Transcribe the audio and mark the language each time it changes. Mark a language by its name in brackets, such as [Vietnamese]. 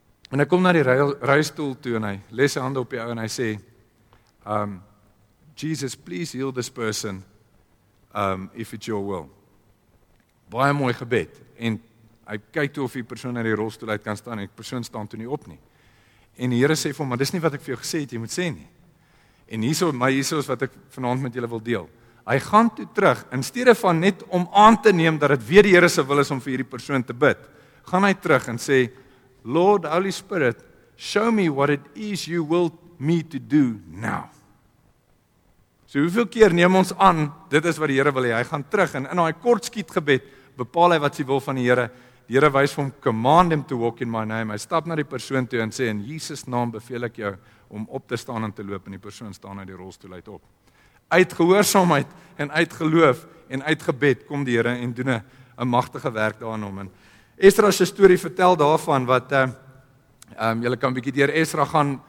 [Afrikaans] En hy kom na die rolstoel toe en hy lê sy hande op die ou en hy sê, [English] Jesus, please heal this person if it's your will. [Afrikaans] Baie mooi gebed. En hy kyk toe of die persoon in die rolstoel uit kan staan, en die persoon staan toe nie op nie. En die Here sê vir hom, maar dis nie wat ek vir jou gesê het, jy moet sê nie. En hierso is wat ek vanavond met julle wil deel. Hy gaan toe terug, in steede van net om aan te neem dat het weer die Here se wil is om vir hierdie persoon te bid, gaan hy terug en sê, [English] Lord, Holy Spirit, show me what it is you will me to do now. [Afrikaans] So hoeveel keer neem ons aan, dit is wat die Here wil hê. Hy gaan terug en in daai kort skiet gebed bepaal hy wat sy wil van die Here. Die Here wys vir hom, [English] command him to walk in my name. [Afrikaans] Hy stap na die persoon toe en sê, in Jesus naam beveel ek jou om op te staan en te loop, en die persoon staan uit die rolstoel uit op. Uit gehoorsaamheid en uit geloof en uit gebed kom die Here en doen 'n magtige werk daar aan hom. En Esra se storie vertel daarvan wat julle kan bietjie deur Esra gaan.